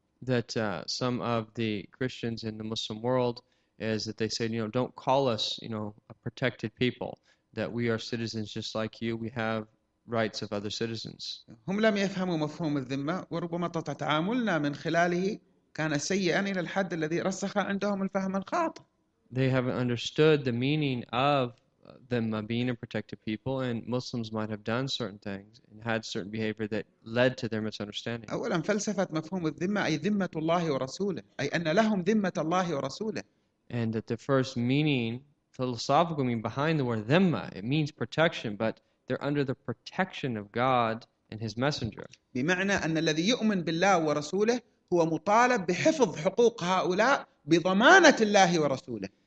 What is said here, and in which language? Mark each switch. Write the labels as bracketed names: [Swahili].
[English] That some of the Christians in the Muslim world is that they say don't call us a protected people. That we are citizens just like you, we have rights of other citizens. [Arabic] هم لم يفهموا مفهوم الذمة وربما تعاملنا من خلاله كان سيئا إلى الحد الذي رسخ عندهم الفهم الخاطئ. [English] They haven't understood the meaning of them being a protected people, and Muslims might have done certain things and had certain behavior that led to their misunderstanding. [Arabic] أولا فلسفة مفهوم الذمة أي ذمة الله ورسوله أي أن لهم ذمة الله ورسوله. [English] And that the first meaning. Philosophical meaning behind the word ذمة, it means protection, but they're under the protection of God and His Messenger. [Arabic] بمعنى أن الذي يؤمن بالله ورسوله هو مطالب بحفظ حقوق هؤلاء بضمانة الله ورسوله.